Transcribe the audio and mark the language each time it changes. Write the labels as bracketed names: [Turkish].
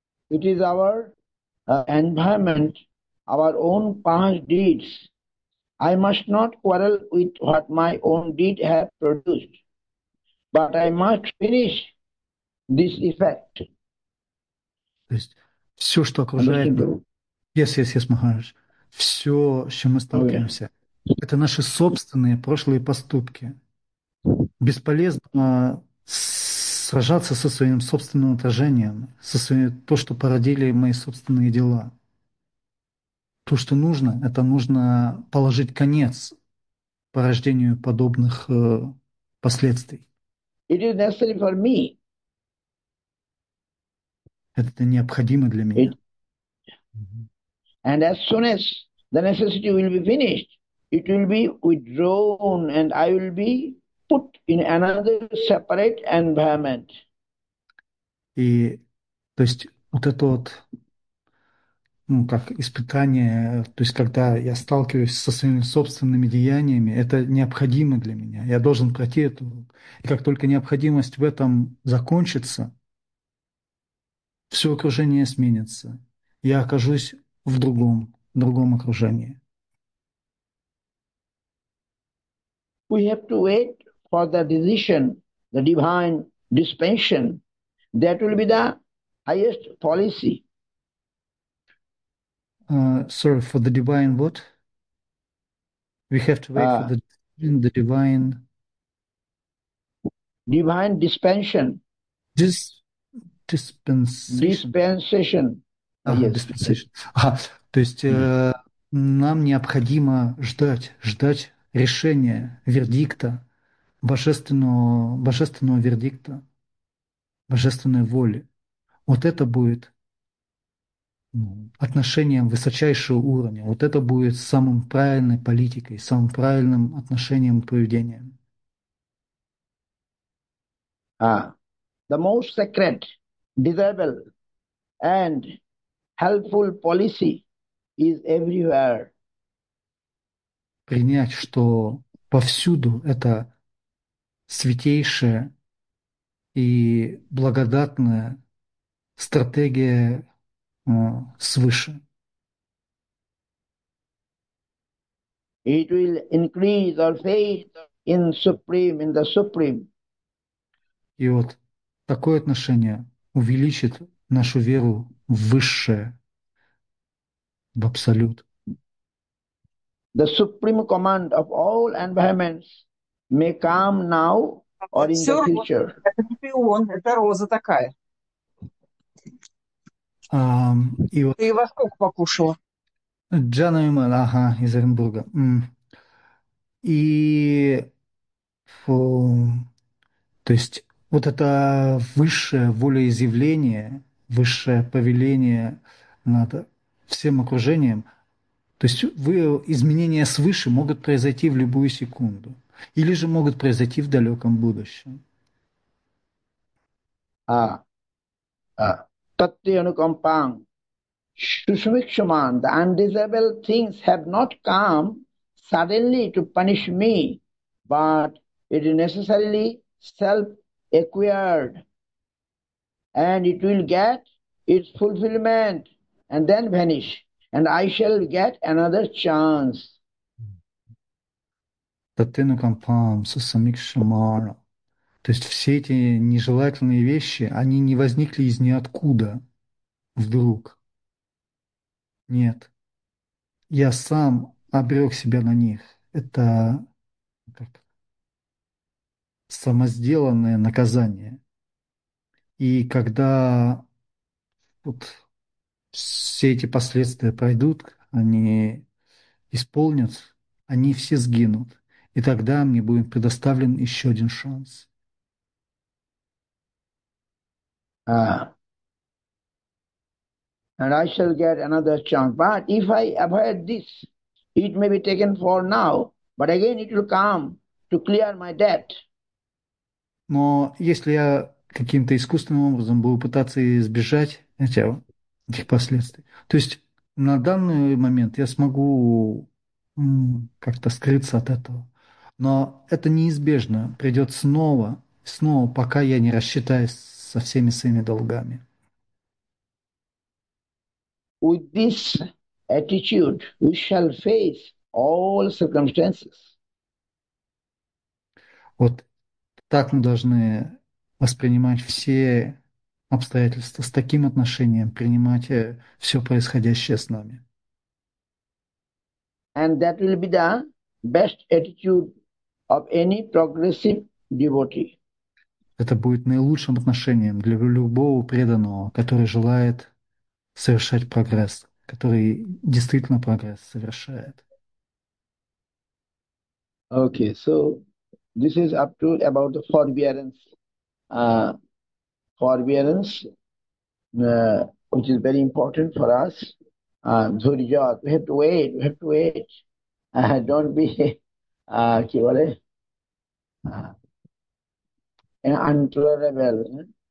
[English] It is our environment, our own past deeds. I must not quarrel with what my own deed have produced. But I must finish this effect. [Russian] То есть все, что окружает нас. Yes, Махарадж. Все, с чем мы сталкиваемся, это наши собственные прошлые поступки. Бесполезно сражаться со своим собственным отражением, со своим то, что породили мои собственные дела. То, что нужно, это нужно положить конец порождению подобных последствий. [English] It is necessary for me. [Russian] Это необходимо для меня. [English] And as soon as the necessity will be finished, it will be withdrawn and I will be put in another separate environment. [Russian] И то есть вот это вот ну, как испытание, то есть когда я сталкиваюсь со своими собственными деяниями, это необходимо для меня, я должен пройти эту. И как только необходимость в этом закончится, все окружение сменится, я окажусь в другом окружении. [English] We have to wait for the decision, the divine dispensation. That will be the highest policy. Sorry, for the divine what? We have to wait for the divine Divine dispensation. dispensation. Dispensation. Ага, Yes. dispensation. [Russian] Ага, то есть нам необходимо ждать решения, вердикта, божественного вердикта, божественной воли. Вот это будет отношением высочайшего уровня. Вот это будет самым правильной политикой, самым правильным отношением и поведением. [English] The most sacred, desirable, and helpful policy is everywhere. [Russian] Принять, что повсюду это святейшая и благодатная стратегия свыше. [English] It will increase our faith in supreme, in the supreme. [Russian] И вот такое отношение увеличит нашу веру в высшее, в абсолют. [English] The supreme command of all environments may come now or in the future. [Russian] Это пион, это роза такая. И вот Ты во сколько покушала? Джана Юмэн, ага, из Оренбурга. И то есть вот это высшее волеизъявление, высшее повеление над всем окружением, то есть изменения свыше могут произойти в любую секунду, или же могут произойти в далеком будущем. [Sanskrit] Tatti anukampang shushmikshaman, [English] the undesirable things have not come suddenly to punish me, but it is necessarily self-acquired, and it will get its fulfillment and then vanish, and I shall get another chance. [Russian] То есть все эти нежелательные вещи, они не возникли из ниоткуда вдруг. Нет. Я сам обрек себя на них. Это как самосделанное наказание. И когда вот все эти последствия пройдут, они исполнятся, они все сгинут. И тогда мне будет предоставлен еще один шанс. [English] And I shall get another chance. But if I avoid this, it may be taken for now, but again it will come to clear my debt. [Russian] Но если я каким-то искусственным образом буду пытаться избежать этих последствий, то есть на данный момент я смогу как-то скрыться от этого. Но это неизбежно придет снова, снова, пока я не рассчитаюсь со всеми своими долгами. [English] With this attitude, we shall face all circumstances. [Russian] Вот так мы должны воспринимать все обстоятельства, с таким отношением принимать все происходящее с нами. [English] And that will be the best attitude of any progressive devotee. [Russian] Это будет наилучшим отношением для любого преданного, который желает совершать прогресс, который действительно прогресс совершает. [English] Okay, so this is up to about the forbearance. Forbearance, which is very important for us. Dhurya, we have to wait, we have to wait. Don't be [Bangla] ki bole [English] intolerable.